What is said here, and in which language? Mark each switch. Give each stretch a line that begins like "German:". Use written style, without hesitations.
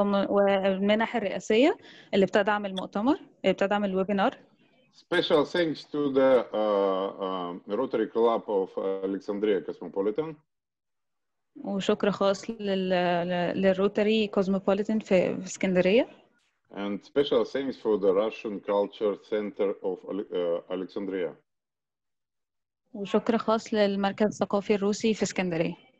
Arabic: والمنح الرئاسية اللي بتدعم المؤتمر, اللي بتدعم الويبينار.
English: Special thanks to the Rotary Club of Alexandria Cosmopolitan.
Arabic: وشكر خاص للروتري كوزموبوليتن في اسكندريه.
English: And special thanks for the Russian Culture Center of Alexandria.
Arabic: وشكر خاص للمركز الثقافي الروسي في اسكندريه.